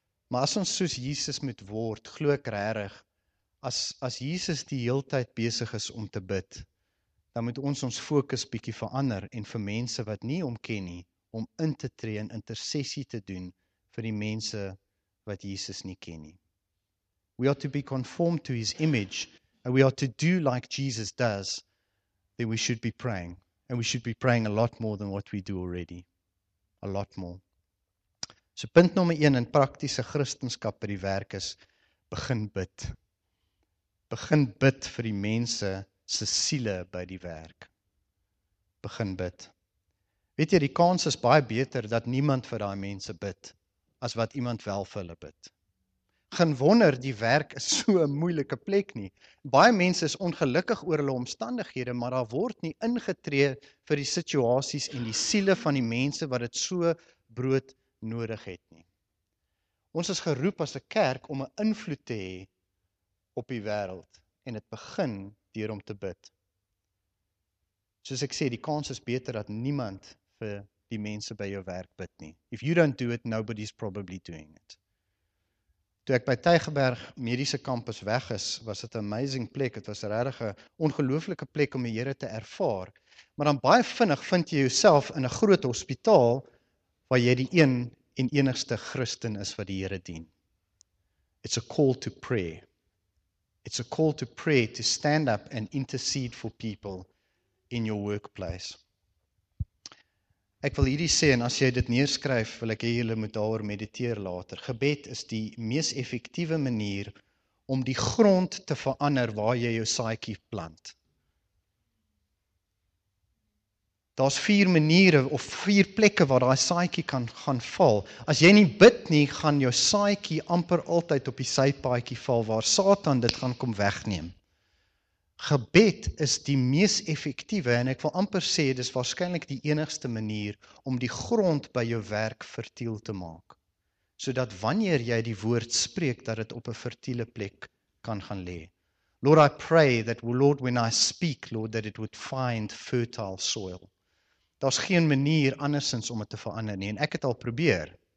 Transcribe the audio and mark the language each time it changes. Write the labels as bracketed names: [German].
[Afrikaans] Maar as ons soos Jesus moet word, glo ek regtig, as Jesus die heeltyd besig is om te bid, dan moet ons fokus bietjie verander en vir mense wat nie hom ken nie, om in te tree en intersessie te doen vir die mense wat Jesus nie ken nie. [English] We are to be conformed to his image and we are to do like Jesus does, then we should be praying. And we should be praying a lot more than what we do already. A lot more. [Afrikaans] So punt nommer 1 in praktiese Christenskap by die werk is, begin bid. Begin bid vir die mense se siele by die werk. Begin bid. Weet jy, die kans is baie beter dat niemand vir daai mense bid, as wat iemand wel vir hulle bid. Geen wonder die werk is so 'n moeilike plek nie. Baie mense is ongelukkig oor hulle omstandighede, maar daar word nie ingetree vir die situasies en die siele van die mense wat dit so brood nodig het nie. Ons is geroep as 'n kerk om 'n invloed te hê op die wêreld en dit begin deur om te bid. Soos ek sê, die kans is beter dat niemand vir die mense by jou werk bid nie. [English] If you don't do it, nobody's probably doing it. [Afrikaans] Toe ek by Tygerberg Mediese Kampus weg is, was dit 'n amazing plek. Dit was regtig 'n ongelooflike plek om die Here te ervaar. Maar dan baie vinnig vind jy jouself in 'n groot hospitaal waar jy die een en enigste Christen is wat die Here dien. [English] It's a call to pray. It's a call to pray to stand up and intercede for people in your workplace. [Afrikaans] Ek wil hierdie sê en as jy dit neerskryf, wil ek hê julle moet daaroor mediteer later. Gebed is die mees effektiewe manier om die grond te verander waar jy jou saaitjie plant. Daar's vier maniere of vier plekke waar daai saaitjie kan gaan val. As jy nie bid nie, gaan jou saaitjie amper altyd op die sypaadjie val waar Satan dit gaan kom wegneem. Gebed is die mees effektiewe en ek wil amper sê dis waarskynlik die enigste manier om die grond by jou werk fertiel te maak. Sodat wanneer jy die woord spreek dat dit op 'n fertiele plek kan gaan lê. [English] Lord, I pray that Lord when I speak, Lord that it would find fertile soil. [Afrikaans] Daar's geen manier andersins om dit te verander nie en ek het al probeer.